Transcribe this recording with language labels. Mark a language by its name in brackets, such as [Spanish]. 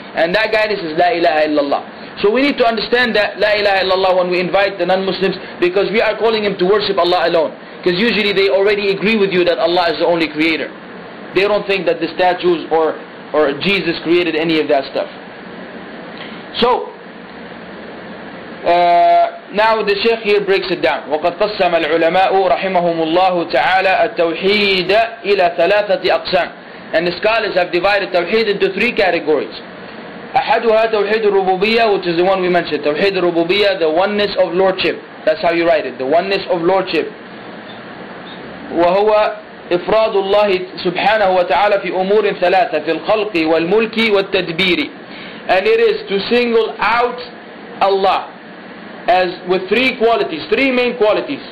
[English] And that guidance is La ilaha illallah. So we need to understand that La ilaha illallah when we invite the non-Muslims, because we are calling him to worship Allah alone. Because usually they already agree with you that Allah is the only creator. They don't think that the statues or Jesus created any of that stuff. So, now the Shaykh here breaks it down. [Arabic] وَقَدْ قَسَّمَ الْعُلَمَاءُ رَحِمَهُمُ اللَّهُ تَعَالَى التَّوْحِيدَ إِلَى ثَلَاثَةِ أَقْسَامٍ. [English] And the scholars have divided Tawheed into three categories. [Arabic] أحدها توحيد الربوبية, [English] which is the one we mentioned. [Arabic] توحيد الربوبية, [English] the oneness of lordship. That's how you write it, the oneness of lordship. [Arabic] وهو إفراد الله سبحانه وتعالى في أمور ثلاثة, في الخلق والملك والتدبير. [English] And it is to single out Allah as with three qualities, three main qualities.